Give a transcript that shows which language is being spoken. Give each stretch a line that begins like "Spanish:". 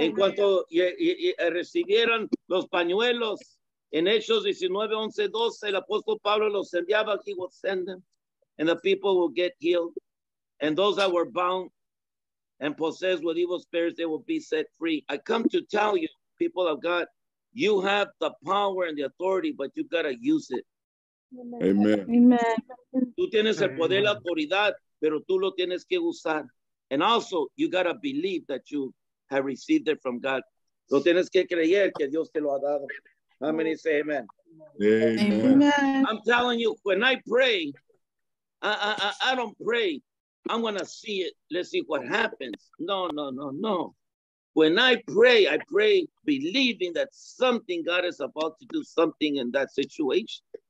Spanish: En cuanto recibieron los pañuelos, en Hechos 19, 11, 12, el apóstol Pablo los enviaba,
English: he will send them, and the people will get healed. And those that were bound and possessed with evil spirits, they will be set free. I come to tell you, people of God, you have the power and the authority, but you've got to use it. Amen. Amen.
Spanish: Tú tienes el poder, la autoridad, pero tú lo tienes que usar.
English: And also, you got to believe that you have received it from God.
Spanish: Lo tienes que creer que Dios te lo ha dado.
English: How many say amen? Amen. Amen. I'm telling you, when I pray, I don't pray, I'm going to see it. Let's see what happens. No. When I pray believing that something, God is about to do something in that situation.